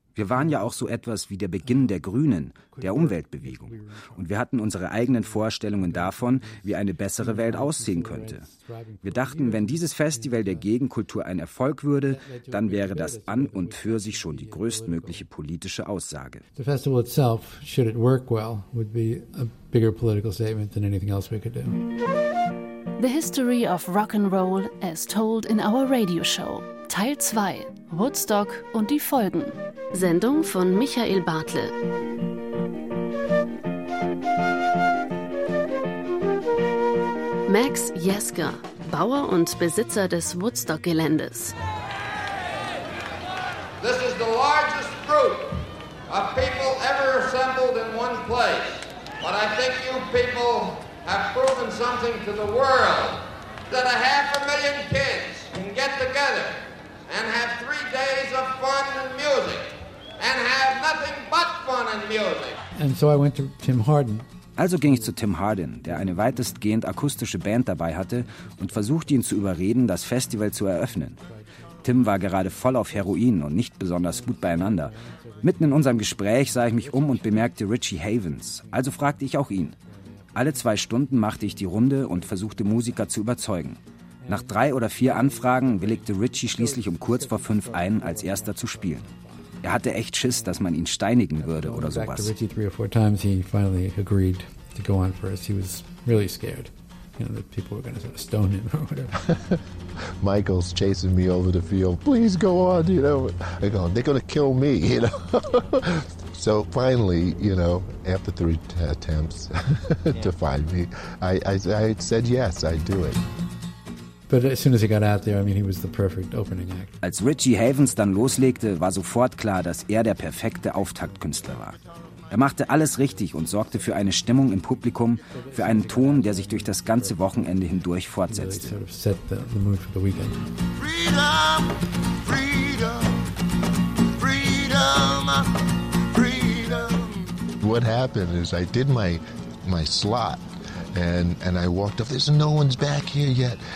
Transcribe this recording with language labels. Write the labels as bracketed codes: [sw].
[de] Wir waren ja auch so etwas wie der Beginn der Grünen, der Umweltbewegung. Und wir hatten unsere eigenen Vorstellungen davon, wie eine bessere Welt aussehen könnte. Wir dachten, wenn dieses Festival der Gegenkultur ein Erfolg würde, dann wäre das an und für sich schon die größtmögliche politische Aussage. [en] The festival itself, should it work well, would be a bigger political statement than anything else we could do. The history of rock and roll as told in our radio show. [de] Teil 2, Woodstock und die Folgen. Sendung von Michael Bartle. Max Jesker, Bauer und Besitzer des Woodstock-Geländes. [en] This is the largest group of people ever assembled in one place. But I think you people have proven something to the world. That 500,000 kids can get together and have 3 days of fun and music. And have nothing but fun and music. And so I went to Tim Hardin. [de] Also ging ich zu Tim Hardin, der eine weitestgehend akustische Band dabei hatte, und versuchte ihn zu überreden, das Festival zu eröffnen. Tim war gerade voll auf Heroin und nicht besonders gut beieinander. Mitten in unserem Gespräch sah ich mich um und bemerkte Richie Havens. Also fragte ich auch ihn. Alle 2 Stunden machte ich die Runde und versuchte, Musiker zu überzeugen. Nach 3 oder 4 Anfragen willigte Richie schließlich um 5:15 ein, als erster zu spielen. Er hatte echt Schiss, dass man ihn steinigen würde oder sowas. [en] Richie 3 or 4 times he finally agreed to go on first. He was really scared, you know, that people were going to sort of stone him or whatever. Michael's chasing me over the field. Please go on, you know. I go, they're going to kill me, you know. So finally, you know, after 3 attempts to find me, I said yes, I'd do it. But as soon as he got out there, I mean, he was the perfect opening act. [de] Als Richie Havens dann loslegte, war sofort klar, dass er der perfekte Auftaktkünstler war. Er machte alles richtig und sorgte für eine Stimmung im Publikum, für einen Ton, der sich durch das ganze Wochenende hindurch fortsetzte. [en] Really sort of set the mood for the weekend. Freedom, freedom, freedom, freedom. What happened is I did my slot. And I walked up, there's no one's back here yet.